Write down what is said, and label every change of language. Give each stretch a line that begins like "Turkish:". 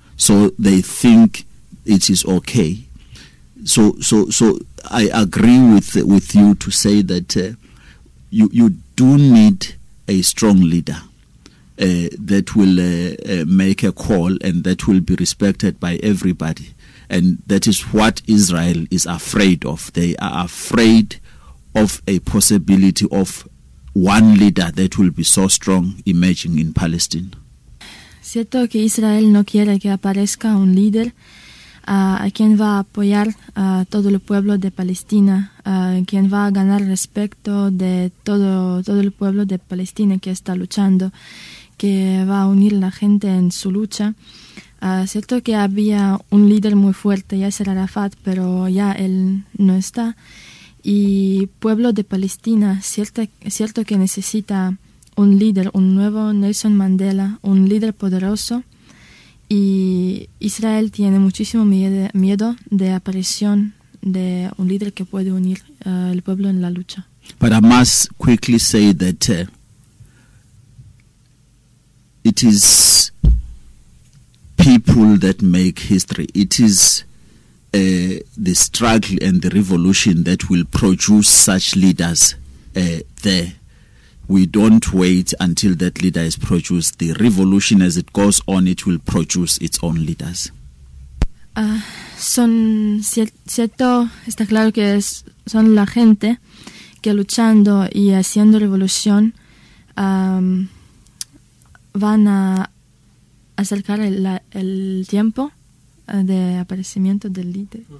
English: So they think it is okay. So I agree with you to say that you do need a strong leader that will make a call and that will be respected by everybody. And that is what Israel is afraid of. They are afraid of a possibility of one leader that will be so strong emerging in Palestine.
Spanish: Cierto que Israel no quiere que aparezca un líder a quien va a apoyar a todo el pueblo de Palestina, quien va a ganar respeto de todo el pueblo de Palestina que está luchando, que va a unir la gente en su lucha. Cierto que había un líder muy fuerte, Yasser Arafat, pero ya él no está. Y pueblo de Palestina, cierto que necesita un líder, un nuevo Nelson Mandela, un líder poderoso. Y Israel tiene muchísimo miedo de aparición de un líder que puede unir el pueblo en la lucha.
English: But I must quickly say that it is people that make history. It is the struggle and the revolution that will produce such leaders there. We don't wait until that leader is produced. The revolution, as it goes on, it will produce its own leaders.
Spanish: Son cierto, está claro que son la gente que luchando y haciendo revolución van a acercar el tiempo de aparecimiento del líder.